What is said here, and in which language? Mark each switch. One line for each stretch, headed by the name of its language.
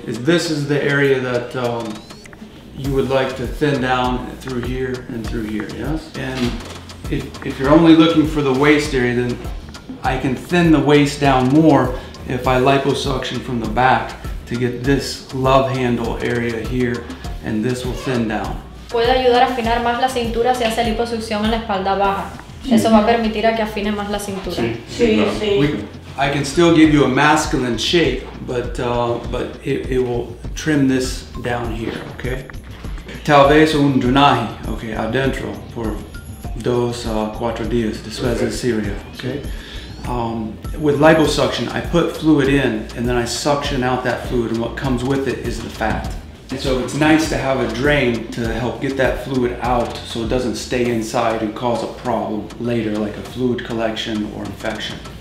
English: This is the area that you would like to thin down through here and through here, yes? And if you're only looking for the waist area, then I can thin the waist down more if I liposuction from the back to get this love handle area here, and this will thin down.
Spanish: Puede ayudar a afinar más la cintura si hace liposucción en la espalda baja. Eso va a permitir a que afine más la cintura. Sí, sí.
English: I can still give you a masculine shape, but it will trim this down here, okay?
Spanish: Tal vez un drenaje, okay, adentro, por dos a cuatro días, después de cirugía, okay?
English: With liposuction, I put fluid in, and then I suction out that fluid, and what comes with it is the fat. And so it's nice to have a drain to help get that fluid out so it doesn't stay inside and cause a problem later, like a fluid collection or infection.